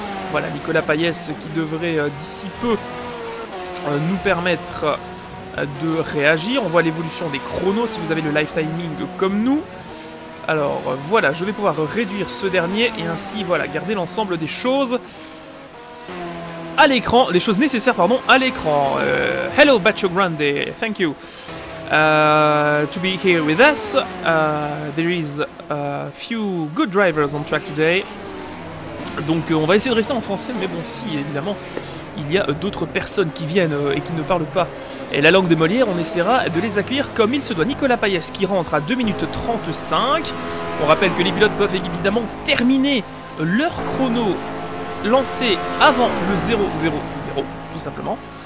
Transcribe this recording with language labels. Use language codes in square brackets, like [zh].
[fr] Voilà Nicolas Paillès qui devrait d'ici peu nous permettre de réagir. On voit l'évolution des chronos si vous avez le live timing comme nous. Alors voilà, je vais pouvoir réduire ce dernier et ainsi voilà garder l'ensemble des choses. à l'écran, les choses nécessaires, pardon, à l'écran. [en] Hello, Bacio Grande, thank you to be here with us. There is a few good drivers on track today. [fr] Donc on va essayer de rester en français, mais bon, si, évidemment, il y a d'autres personnes qui viennent et qui ne parlent pas et la langue de Molière, on essaiera de les accueillir comme il se doit. Nicolas Payès qui rentre à 2 minutes 35. On rappelle que les pilotes peuvent évidemment terminer leur chrono lancé avant le 0-0-0, tout simplement.